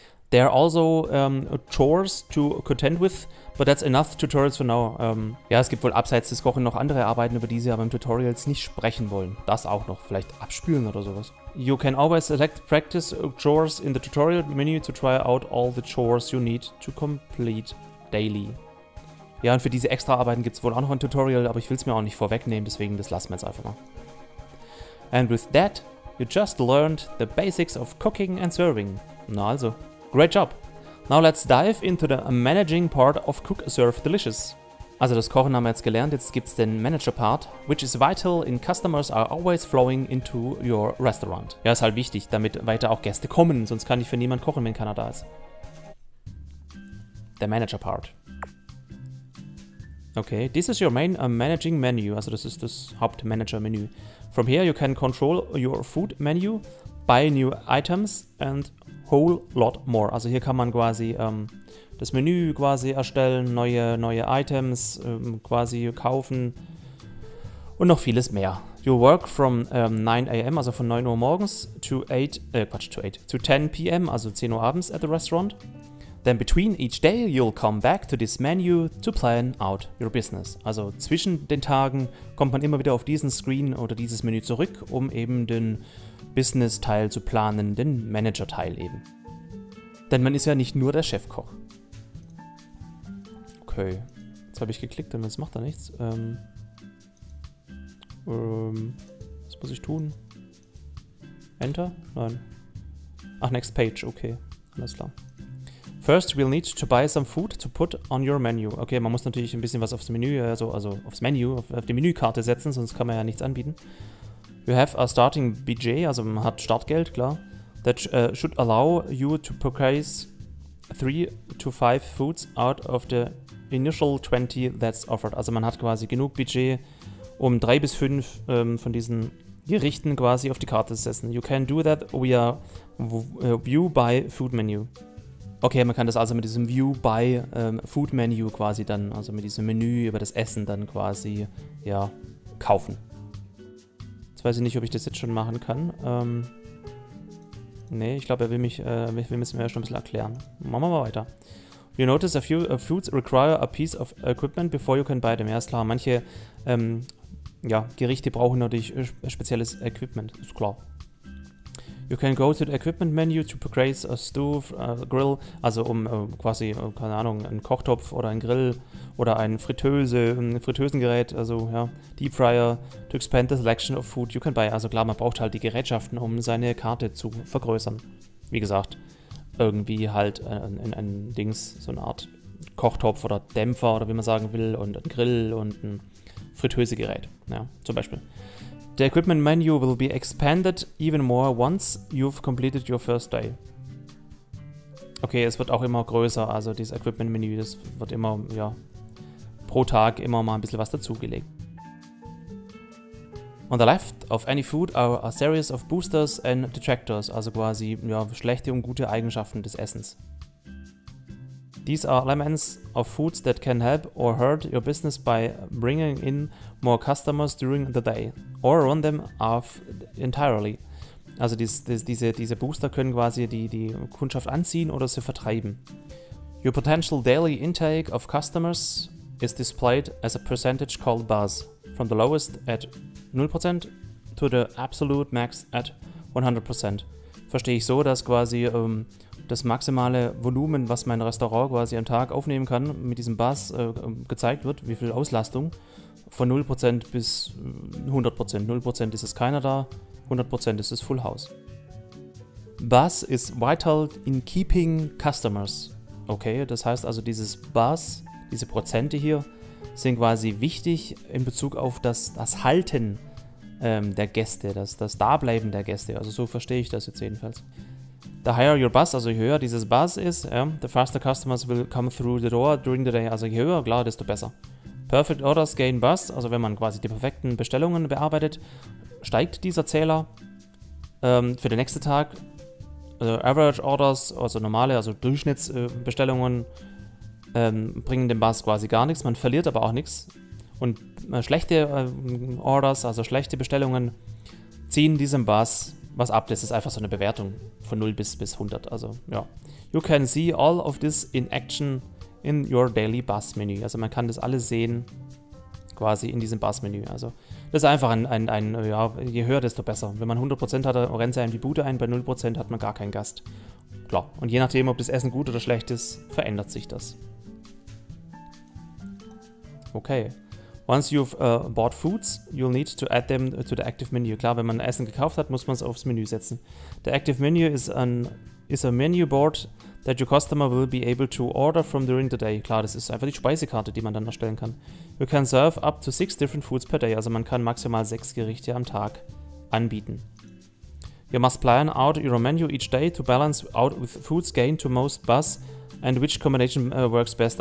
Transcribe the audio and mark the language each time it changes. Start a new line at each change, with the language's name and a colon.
English: There are also chores to contend with, but that's enough tutorials for now.
German: Ja, es gibt wohl abseits des Kochen noch andere Arbeiten, über die sie aber im Tutorials nicht sprechen wollen. Das auch noch, vielleicht abspülen oder sowas.
English: You can always select practice chores in the tutorial menu to try out all the chores you need to complete daily.
German: Ja, und für diese extra Arbeiten gibt es wohl auch noch ein Tutorial, aber ich will es mir auch nicht vorwegnehmen, deswegen das lassen wir jetzt einfach mal.
English: And with that, you just learned the basics of cooking and serving.
German: Na also.
English: Great job! Now let's dive into the managing part of Cook Serve Delicious.
German: Also das Kochen haben wir jetzt gelernt, jetzt gibt's den Manager Part,
English: which is vital in customers are always flowing into your restaurant.
German: Ja, ist halt wichtig, damit weiter auch Gäste kommen, sonst kann ich für niemanden kochen, wenn keiner da ist. Der Manager Part.
English: Okay, this is your main managing menu,
German: also das ist das Hauptmanager Menü.
English: From here you can control your food menu, buy new items and whole lot more.
German: Also hier kann man quasi das Menü quasi erstellen, neue Items quasi kaufen und noch vieles mehr.
English: You work from 9 a.m.,
German: also von 9 Uhr morgens,
English: to 8,
German: Quatsch,
English: to 8, to 10 p.m.,
German: also 10 Uhr abends
English: at the restaurant. Then between each day you'll come back to this menu to plan out your business.
German: Also zwischen den Tagen kommt man immer wieder auf diesen Screen oder dieses Menü zurück, um eben den Business-Teil zu planen, den Manager-Teil eben. Denn man ist ja nicht nur der Chefkoch. Okay, jetzt habe ich geklickt, aber jetzt macht er nichts. Was muss ich tun? Enter? Nein. Ach, next page, okay. Alles klar.
English: First, we'll need to buy some food to put on your menu.
German: Okay, man muss natürlich ein bisschen was aufs Menü, also aufs Menü, auf die Menükarte setzen, sonst kann man ja nichts anbieten.
English: You have a starting budget,
German: also man hat Startgeld, klar.
English: That should allow you to purchase 3 to 5 foods out of the initial 20 that's offered.
German: Also man hat quasi genug Budget, um 3 bis 5 von diesen Gerichten quasi auf die Karte zu setzen.
English: You can do that via view by food menu.
German: Okay, man kann das also mit diesem View by Food Menu quasi dann, also mit diesem Menü über das Essen dann quasi, ja, kaufen. Jetzt weiß ich nicht, ob ich das jetzt schon machen kann. Nee, ich glaube, wir müssen mir ja schon ein bisschen erklären. Machen wir mal weiter.
English: You notice a few foods require a piece of equipment before you can buy them.
German: Ja, ist klar, manche ja, Gerichte brauchen natürlich spezielles Equipment, ist klar.
English: You can go to the Equipment Menu to purchase a stove, a grill,
German: also um quasi, keine Ahnung, einen Kochtopf oder einen Grill oder ein Fritteusengerät, also ja,
English: Deep Fryer, to expand the selection of food you can buy.
German: Also klar, man braucht halt die Gerätschaften, um seine Karte zu vergrößern. Wie gesagt, irgendwie halt ein Dings, so eine Art Kochtopf oder Dämpfer oder wie man sagen will und ein Grill und ein Fritteusegerät, ja, zum Beispiel.
English: The Equipment Menu will be expanded even more once you've completed your first day.
German: Okay, es wird auch immer größer, also dieses Equipment Menu, das wird immer, ja, pro Tag immer mal ein bisschen was dazugelegt.
English: On the left of any food are a series of boosters and detractors,
German: also quasi, ja, schlechte und gute Eigenschaften des Essens.
English: These are elements of foods that can help or hurt your business by bringing in more customers during the day or run them off entirely.
German: Also diese Booster können quasi die Kundschaft anziehen oder sie vertreiben.
English: Your potential daily intake of customers is displayed as a percentage called buzz, from the lowest at 0% to the absolute max at 100%.
German: Verstehe ich so, dass quasi das maximale Volumen, was mein Restaurant quasi am Tag aufnehmen kann, mit diesem Buzz gezeigt wird, wie viel Auslastung, von 0% bis 100%. 0% ist es keiner da, 100% ist es Full House.
English: Buzz is vital in keeping customers.
German: Okay, das heißt also, dieses Buzz, diese Prozente hier, sind quasi wichtig in Bezug auf das Halten der Gäste, das Dableiben der Gäste. Also so verstehe ich das jetzt jedenfalls.
English: The higher your buzz,
German: also je höher dieses Buzz ist,
English: the faster customers will come through the door during the day.
German: Also je höher, klar, desto besser.
English: Perfect orders gain buzz,
German: also wenn man quasi die perfekten Bestellungen bearbeitet, steigt dieser Zähler für den nächsten Tag. Also average orders, also normale, also Durchschnittsbestellungen, bringen dem Buzz quasi gar nichts. Man verliert aber auch nichts. Und schlechte Orders, also schlechte Bestellungen, ziehen diesem Buzz was ab. Das ist einfach so eine Bewertung von 0 bis 100. Also, ja.
English: You can see all of this in action in your daily Buzz Menu.
German: Also, man kann das alles sehen, quasi in diesem Buzz Menu. Also, das ist einfach ja, je höher, desto besser. Wenn man 100% hat, rennt sie einem die Bude ein. Bei 0% hat man gar keinen Gast. Klar. Und je nachdem, ob das Essen gut oder schlecht ist, verändert sich das.
English: Okay. Once you've bought foods, you'll need to add them to the active menu.
German: Klar, wenn man Essen gekauft hat, muss man es aufs Menü setzen.
English: The active menu is a menu board that your customer will be able to order from during the day.
German: Klar, das ist einfach die Speisekarte, die man dann erstellen kann.
English: You can serve up to 6 different foods per day.
German: Also man kann maximal 6 Gerichte am Tag anbieten.
English: You must plan out your menu each day to balance out with foods gain to most buzz and which combination works best.